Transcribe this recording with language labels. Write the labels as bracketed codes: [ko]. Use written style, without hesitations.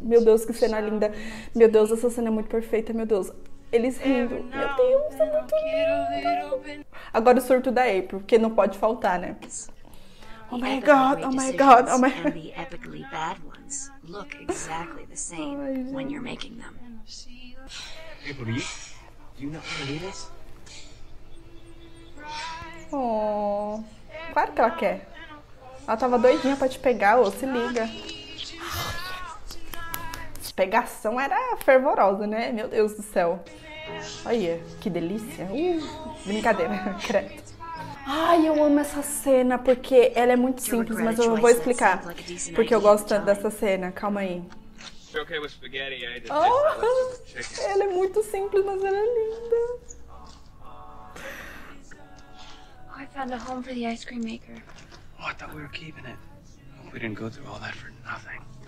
[pt] Meu Deus, que cena linda. Meu Deus, essa cena é muito perfeita, meu Deus. Eles rindo. Meu Deus, é muito lindo. Agora o surto da April, porque não pode faltar, né? [en] Oh my God, oh my God, oh my God. Look exactly the same when you're making them. April, do you know how to do this? [pt] Oh, claro que ela quer. Ela tava doidinha pra te pegar, ô, se liga. Pegação era fervorosa, né? Meu Deus do céu. Olha, que delícia. Brincadeira, credo. Ai, eu amo essa cena, porque ela é muito simples, mas eu vou explicar. Porque eu gosto tanto dessa cena, calma aí. Oh, ela é muito simples, mas ela é linda. [en] Oh, I thought we were keeping it. We didn't go through all that for nothing.